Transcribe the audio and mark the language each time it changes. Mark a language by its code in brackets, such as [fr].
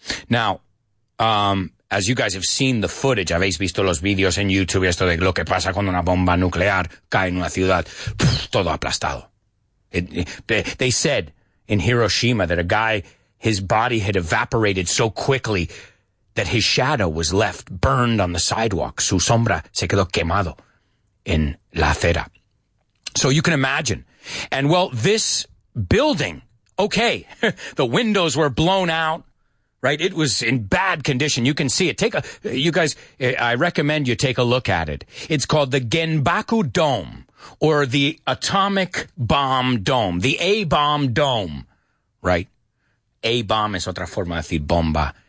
[en] Now, as you guys have seen the footage, [es] habéis visto los videos en YouTube, esto de lo que pasa cuando una bomba nuclear cae en una ciudad, todo aplastado. [en] They said in Hiroshima that a guy, his body had evaporated so quickly that his shadow was left burned on the sidewalk. [es] Su sombra se quedó quemado en la acera. [en] So you can imagine. And well, this building, okay, the windows were blown out, right? It was in bad condition. You can see it. I recommend you take a look at it. It's called the Genbaku Dome, or the Atomic Bomb Dome, the A-bomb dome, right? [es] A-bomb is otra forma de decir bomba.